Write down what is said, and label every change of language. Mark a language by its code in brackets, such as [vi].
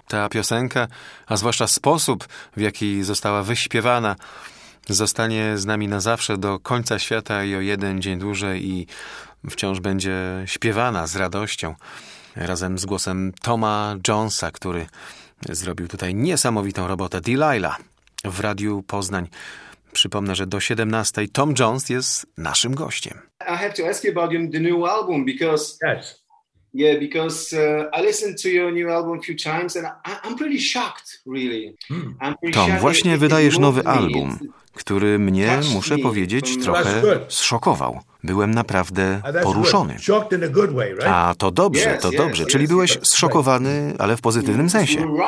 [pl] Piosenka, a zwłaszcza sposób, w jaki została wyśpiewana, zostanie z nami na zawsze do końca świata i o jeden dzień dłużej i wciąż będzie śpiewana z radością razem z głosem Toma Jonesa, który zrobił tutaj niesamowitą robotę. Delilah w Radiu Poznań. Przypomnę, że do 17 Tom Jones jest naszym gościem. [en] I have to ask you about the new album, because... Yes. Yeah, because I listened to your new album a few times and I'm pretty shocked, really. [pl] Tom, właśnie wydajesz nowy album, który mnie, muszę powiedzieć, trochę zszokował. Byłem naprawdę poruszony. A to dobrze, to dobrze. Czyli byłeś zszokowany, ale w pozytywnym sensie.